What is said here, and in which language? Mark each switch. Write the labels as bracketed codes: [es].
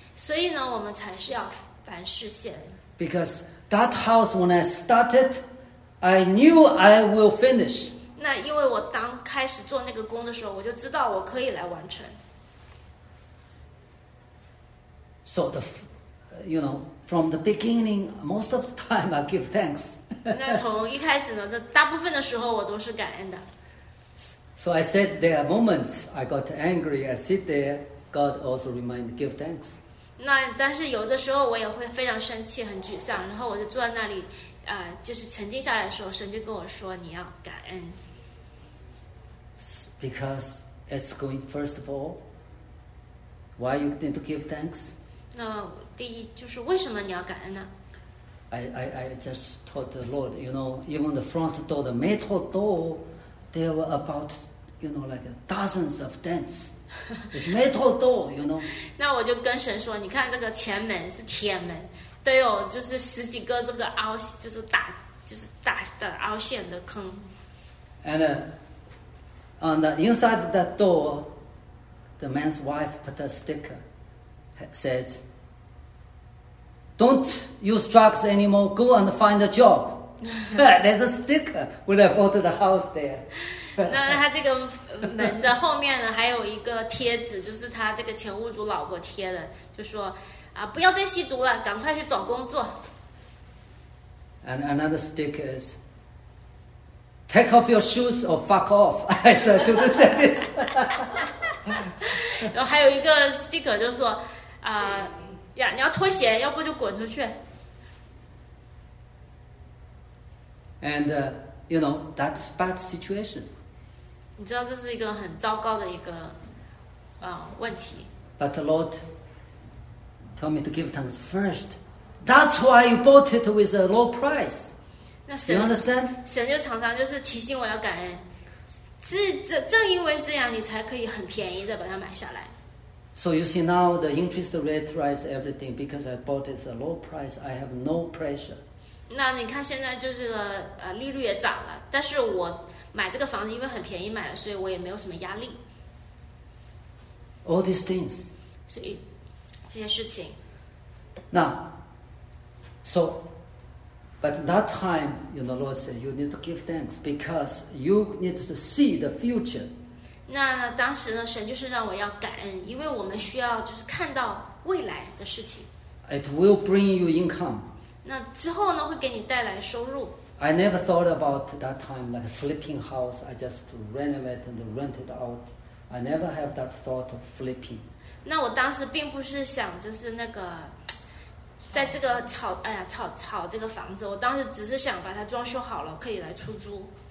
[zh] 所以呢，我们才是要凡事谢恩。 [en] Because that house when I started, I knew I will finish. [zh] 那因为我当开始做那个工的时候，我就知道我可以来完成。 [en] So the, you know,From the beginning, most of the time I give thanks. [zh] 那从一开始呢，这大部分的时候我都是感恩的。 [en] So I said there are moments I got angry. I sit there, God also remind, give thanks. [zh] 那但是有的时候我也会非常生气，很沮丧，然后我就坐在那里，就是沉静下来的时候，神就跟我说你要感恩。 [en] Because it's going first of all. Why you need to give thanks? [zh] 那第一就是为什么你要感恩呢？ [en] I just told the Lord, you know, even the front door, the metal door, there were about, you know, like dozens of dents. It's metal door, you know. [zh] 那我就跟神说，你看这个前门是铁门，都有就是十几个这个凹，就是打，就是打的凹陷的坑。 [en] And on the inside of that door, the man's wife put a sticker, said,Don't use drugs anymore. Go and find a job. There's a sticker when I bought the house there. [zh] 那他这个门的后面呢，还有一个贴纸，就是他这个前屋主老婆贴的，就说啊，不要再吸毒了，赶快去找工作。 [en] And another sticker is, take off your shoes or fuck off. I said, should I say this? [zh] 然后还有一个 sticker 就说啊。呀，你要脱鞋，要不就滚出去。 [en] And you know that's bad situation. [zh] 你知道这是一个很糟糕的一个问题。 [en] But the Lord told me to give thanks first. That's why you bought it with a low price. [zh] 那神 [en] you understand? [zh] 神就常常就是提醒我要感恩，正因为这样，你才可以很便宜的把它买下来。 [en] So you see now the interest rate rise everything because I bought it at a low price. I have no pressure. [zh] 那你看现在就是利率也涨了，但是我买这个房子因为很便宜买了，所以我也没有什么压力。 [en] All these things. [zh] 所以这些事情。 [en] Now, so, but that time, you know, Lord said you need to give thanks because you need to see the future. [zh] 那当时呢，神就是让我要感恩，因为我们需要就是看到未来的事情。 [en] It will bring you income. [zh] 那之后呢，会给你带来收入。 [en] I never thought about that time like flipping house. I just renovate and rent it out. I never have that thought of flipping. [zh] 那我当时并不是想就是那个，在这个炒，哎呀，炒这个房子。我当时只是想把它装修好了，可以来出租。